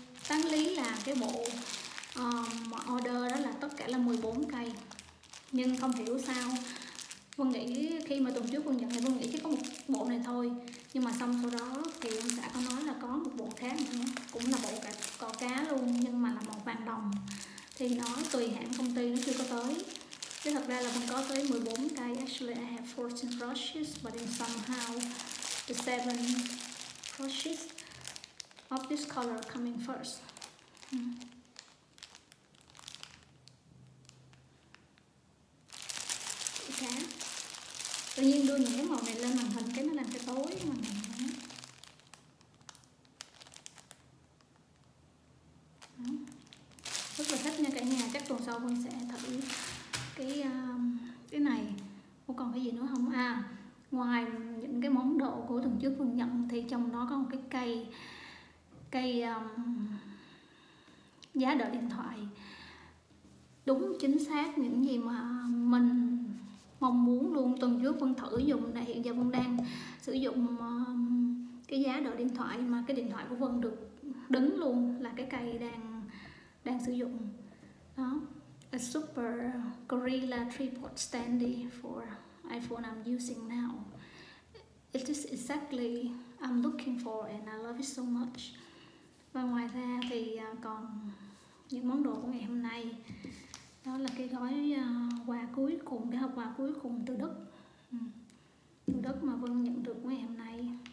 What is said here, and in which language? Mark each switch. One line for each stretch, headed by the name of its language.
Vietnamese: Tán lý là cái bộ mà order đó là tất cả là 14 cây, nhưng không hiểu sao Vân nghĩ khi mà tuần trước Vân nhận thì Vân nghĩ chỉ có một bộ này thôi, nhưng mà xong sau đó thì ông xã có nói là có một bộ khác nữa, cũng là bộ cả cọ cá luôn, nhưng mà là màu vàng đồng, thì nó tùy hãng công ty nó chưa có tới. Chứ thật ra là mình có tới 14 cây.
English: Actually I have 14 brushes, but then somehow the 7 brushes of this color coming first. Okay.
Vietnamese: Tự nhiên đưa những cái màu này lên màn hình cái nó làm cho tối màn hình. Rất là thích nha cả nhà, chắc tuần sau Vân sẽ thử cái này. Không còn cái gì nữa không? Ngoài những cái món đồ của tuần trước Vân nhận thì trong đó có một cái cây giá đỡ điện thoại, đúng chính xác những gì mà mình mong muốn luôn. Tuần trước Vân thử dùng này, hiện giờ Vân đang sử dụng cái giá đỡ điện thoại, mà cái điện thoại của Vân được đứng luôn, là cái cây đang sử dụng đó.
English: A super gorilla tripod standy for iPhone I'm using now. It is exactly I'm looking for and I love it so much.
Vietnamese: Và ngoài ra thì còn những món đồ của ngày hôm nay, đó là cái gói quà cuối cùng, cái hộp quà cuối cùng từ Đức, từ Đức mà Vân nhận được ngày hôm nay.